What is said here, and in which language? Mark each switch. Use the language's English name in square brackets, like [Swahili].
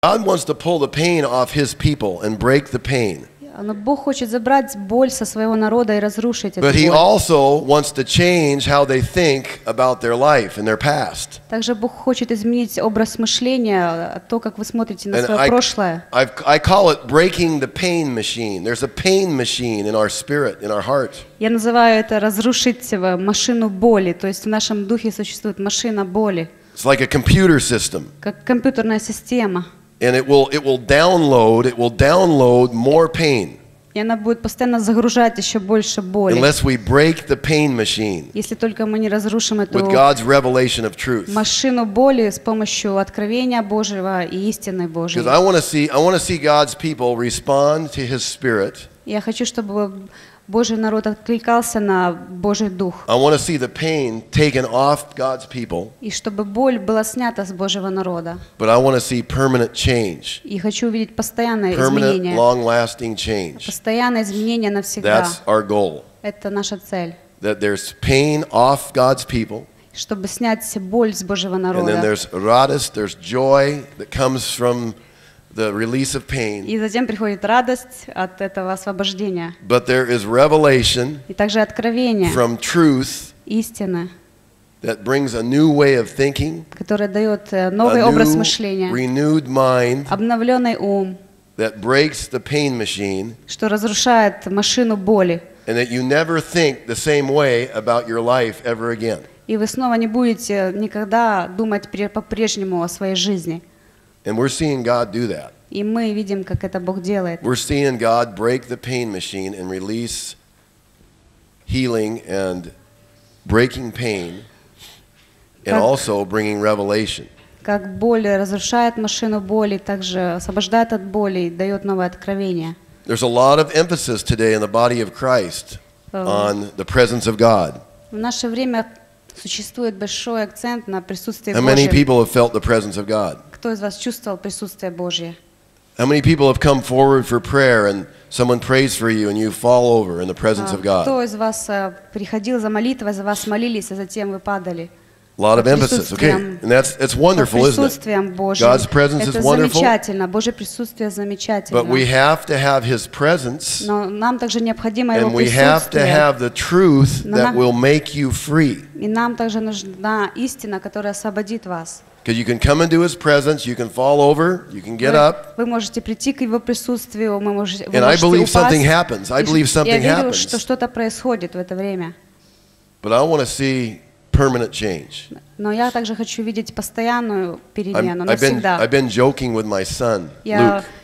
[English] God wants to pull the pain off his people and break the pain. [Russian] Бог хочет забрать боль со своего народа и разрушить эту боль. [English] But he also wants to change how they think about their life and their past. [Russian] Также Бог хочет изменить образ мышления, то, как вы смотрите на свое прошлое. [English] I call it breaking the pain machine. There's a pain machine in our spirit, in our heart. [Russian] Я называю это разрушить машину боли. То есть в нашем духе существует машина боли. [English] It's like a computer system. [Russian] Как компьютерная система. [English] And it will download more pain. [Russian] И она будет постоянно загружать еще больше боли. [English] Unless we break the pain machine. [Russian] Если только мы не разрушим эту. [English] With God's revelation of truth. [Russian] Машину боли с помощью откровения Божьего и истины Божьей. [English] Because I want to see God's people respond to His Spirit. [Russian] Я хочу, чтобы Божий народ откликался на Божий дух. [English] I want to see the pain taken off God's people. [Russian] И чтобы боль была снята с Божьего народа. [English] But I want to see permanent change. [Russian] И хочу увидеть постоянное [English] permanent, [Russian] изменение. [English] Permanent, long-lasting change. [Russian] Постоянное изменение навсегда. [English] That's our goal. [Russian] Это наша цель. [English] That there's pain off God's people. [Russian] Чтобы снять боль с Божьего народа. [English] And then there's radost, there's joy that comes from the release of pain. [Russian] И затем приходит радость от этого освобождения. [English] But there is revelation. [Russian] И также откровение. [English] From truth. [Russian] Истина. [English] That brings a new way of thinking. [Russian] Которая дает новый образ мышления. [English] Renewed mind. [Russian] Обновленный ум. [English] That breaks the pain machine. [Russian] Что разрушает машину боли. [English] And that you never think the same way about your life ever again. [Russian] И вы снова не будете никогда думать по-прежнему о своей жизни. [English] And we're seeing God do that. [Russian] И мы видим, как это Бог делает. [English] We're seeing God break the pain machine and release healing and breaking pain and also bringing revelation. [Russian] Как боль разрушает машину боли, также освобождает от боли и дает новое откровение. [English] There's a lot of emphasis today in the body of Christ on the presence of God. [Russian] В наше время существует большой акцент на присутствии Божьем. [English] How many people have felt the presence of God? [Russian] Кто из вас чувствовал присутствие Божье? [English] How many people have come forward for prayer and someone prays for you and you fall over in the presence of God? [Russian] Кто из вас приходил за молитвой, за вас молились, а затем вы падали? [English] A lot of emphasis, okay? And that's wonderful, isn't it? God's presence is wonderful. [Russian] Это замечательно. Божье присутствие замечательно. [English] But we have to have His presence. [Russian] Но нам также необходимо Его присутствие. [English] And we have to have the truth that will make you free. [Russian] И нам также нужна истина, которая освободит вас. [English] Because you can come into His presence, you can fall over, you can get up. [Russian] Вы можете прийти к Его присутствию, вы можете упасть. [English] And I believe something happens. I believe something happens. [Russian] Я верю, что что-то происходит в это время. [English] But I want to see permanent change. [Russian] Но я также хочу видеть постоянную перемену навсегда. [English] I've been joking with my son, [Russian] я Luke.